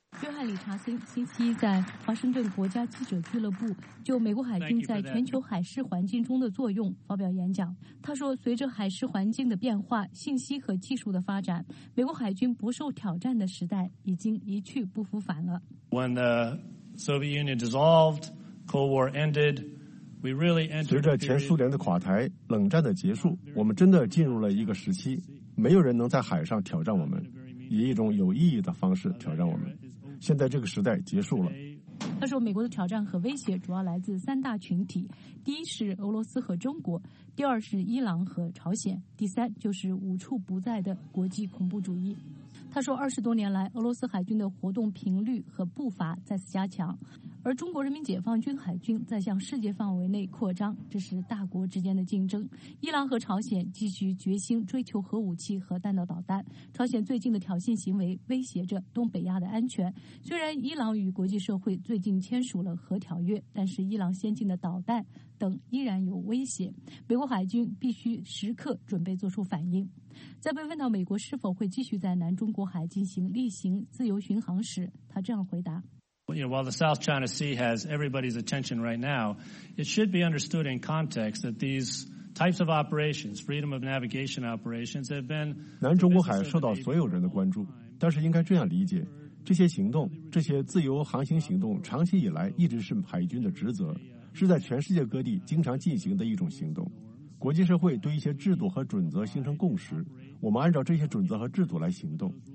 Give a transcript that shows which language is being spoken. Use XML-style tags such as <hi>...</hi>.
<zh>约翰·理查森星期一在华盛顿国家记者俱乐部就美国海军在全球海事环境中的作用发表演讲。他说，随着海事环境的变化，信息和技术的发展，美国海军不受挑战的时代已经一去不复返了。</zh> <en>When the Soviet Union dissolved, Cold War ended, we really entered.</en> <zh>随着前苏联的垮台，冷战的结束，我们真的进入了一个时期，没有人能在海上挑战我们，以一种有意义的方式挑战我们。现在这个时代结束了。他说，美国的挑战和威胁主要来自三大群体，第一是俄罗斯和中国，第二是伊朗和朝鲜，第三就是无处不在的国际恐怖主义。他说，20多年来俄罗斯海军的活动频率和步伐再次加强，而中国人民解放军海军在向世界范围内扩张，这是大国之间的竞争。伊朗和朝鲜继续决心追求核武器和弹道导弹，朝鲜最近的挑衅行为威胁着东北亚的安全。虽然伊朗与国际社会最近签署了核条约，但是伊朗先进的导弹等依然有威胁，美国海军必须时刻准备做出反应。在被问到美国是否会继续在南中国海进行例行自由巡航时，他这样回答。</zh> <en>While the South China Sea has everybody's attention right now, it should be understood in context that these types of operations, freedom of navigation operations, have been.</en> <zh>南中国海受到所有人的关注，但是应该这样理解，这些行动，这些自由航行行动，长期以来一直是海军的职责，是在全世界各地经常进行的一种行动。国际社会对一些制度和准则形成共识，我们按照这些准则和制度来行动。</zh>